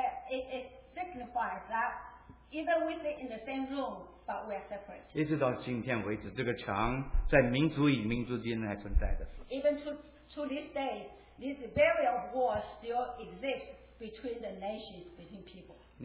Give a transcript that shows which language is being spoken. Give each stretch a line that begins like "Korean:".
English: It signifies that even we sit in the same room. But we are separate.
Chinese: 一直到今天为止，这个墙在民族与民族间还存在的。
English: Even to this day, this barrier of war still exists between the nations, between people.